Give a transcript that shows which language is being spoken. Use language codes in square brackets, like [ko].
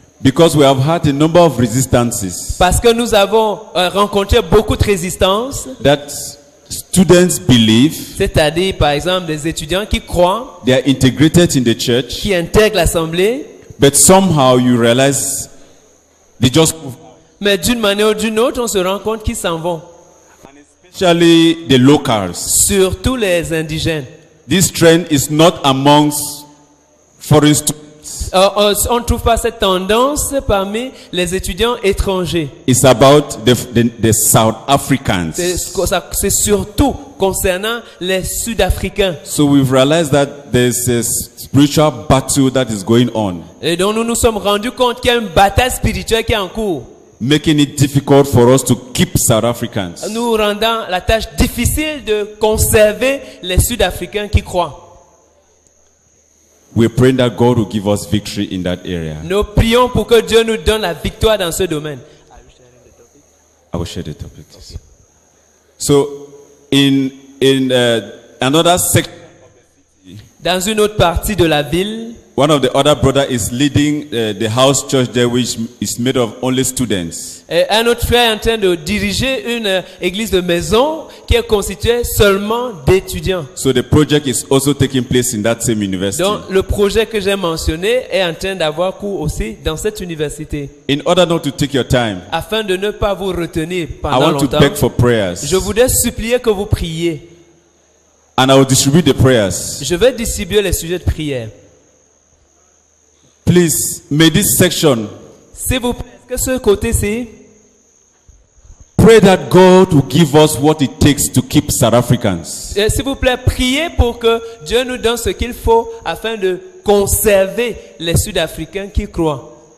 [en] Because we have had a number of resistances. [fr] Parce que nous avons rencontré beaucoup de résistances. [en] That students believe. [fr] C'est-à-dire, par exemple, des étudiants qui croient. [en] They are integrated in the church. [fr] Qui intègrent l'assemblée. [en] But somehow you realize they just. [fr] Mais d'une manière ou d'une autre, on se rend compte qu'ils s'en vont. [en] Especially the locals. [fr] Surtout les indigènes. [en] This trend is not amongst foreign students. [fr] On ne trouve pas cette tendance parmi les étudiants étrangers. [en] It's about the South Africans. [fr] C'est surtout concernant les Sud-Africains. [en] So we've realized that there's a spiritual battle that is going on. [fr] Et donc nous nous sommes rendus compte qu'il y a une bataille spirituelle qui est en cours. [en] Making it difficult for us to keep South Africans. [fr] Nous rendant la tâche difficile de conserver les Sud-Africains qui croient. [en] We pray that God will give us victory in that area. [fr] Nous prions pour que Dieu nous donne la victoire dans ce domaine. [en] I will share the topic. Okay. So, in another section. [fr] Dans une autre partie de la ville. [en] One of the other brother is leading the house church there, which is made of only students. [fr] Et un autre frère est en train de diriger une église de maison qui est constituée seulement d'étudiants. [en] So the project is also taking place in that same university. [fr] Donc le projet que j'ai mentionné est en train d'avoir cours aussi dans cette université. [en] In order not to take your time. [fr] Afin de ne pas vous retenir pendant longtemps. [en] I want to beg for prayers. [fr] Je voudrais supplier que vous priez. [en] And I will distribute the prayers. [fr] Je vais distribuer les sujets de prière. [en] Please, may this section. [fr] S'il vous plaît, que ce côté-ci. [en] Pray that God will give us what it takes to keep South Africans. [fr] S'il vous plaît, priez pour que Dieu nous donne ce qu'il faut afin de conserver les Sud-Africains qui croient.